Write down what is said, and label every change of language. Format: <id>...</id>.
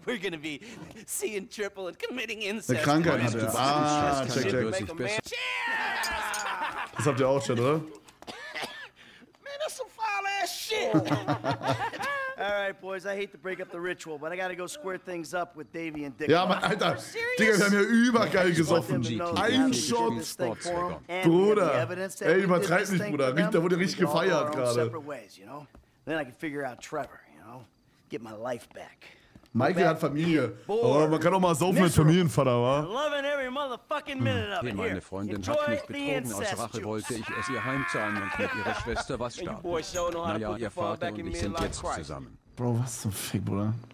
<en>We're gonna be seeing triple and committing incest.</en> <de>Eine Krankheit hat er. Ah, check. Das ist besser. Cheers! Das habt ihr auch schon, oder?</de> <en>Man, that's some foul ass shit. All right, boys, I hate to break up the ritual, but I gotta go square things up with Davey and Dick.</en> <de>Ja, Mann, Alter, Digga, wir haben ja übergeil gesoffen. Ein Shot. Bruder, ey, übertreib nicht, Bruder. Da wurde richtig gefeiert gerade.</de> <en>Then I can figure out Trevor, you know? Get my life back.</en> <de>Michael hat Familie. Oh, man kann auch mal saufen mit Familienvater, wa?</de> <en>Loving every motherfucking minute of it.</en> <de>Hier, meine Freundin hat mich betrogen. Aus Rache wollte ich es ihr heimzahlen und mit ihrer Schwester was starten. Naja, ihr Vater und ich sind jetzt zusammen. Bro, was zum Fick, Bruder?</de>